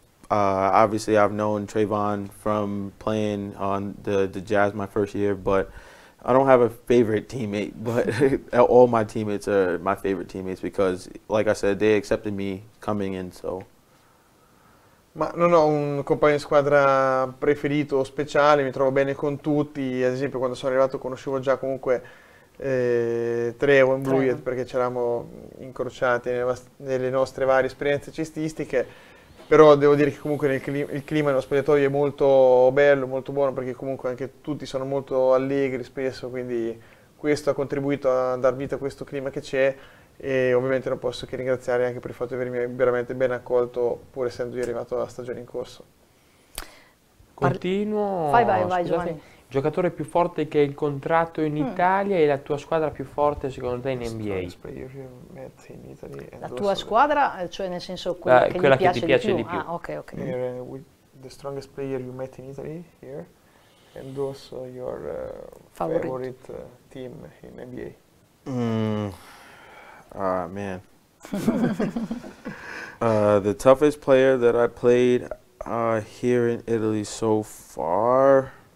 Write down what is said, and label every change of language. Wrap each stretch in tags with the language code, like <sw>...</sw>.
<en>Obviously, I've known Trayvon from playing on the Jazz my first year, but I don't have a favorite teammate. But all my teammates are my favorite teammates because, like I said, they accepted me coming in, so.</en> <it>Ma non ho un compagno di squadra preferito o speciale, mi trovo bene con tutti. Ad esempio, quando sono arrivato conoscevo già comunque Trevon Bluiett, perché c'eravamo incrociati nelle nostre varie esperienze cestistiche. Però devo dire che comunque il clima nello spogliatoio è molto bello, molto buono, perché comunque anche tutti sono molto allegri spesso, quindi questo ha contribuito a dar vita a questo clima che c'è. E ovviamente non posso che ringraziare anche per il fatto di avermi veramente ben accolto, pur essendo io arrivato alla stagione in corso. Continuo. Vai, vai, vai, Giovanni. Giocatore più forte che hai incontrato in Italia e la tua squadra più forte secondo te in NBA? La tua squadra, cioè nel senso quella, che, quella piace che ti piace di più. Ah, ok, ok.</it> <en>The strongest player you met in Italy here and also your favorite team in NBA. Ah, man. the toughest player that I played here in Italy so far.</en>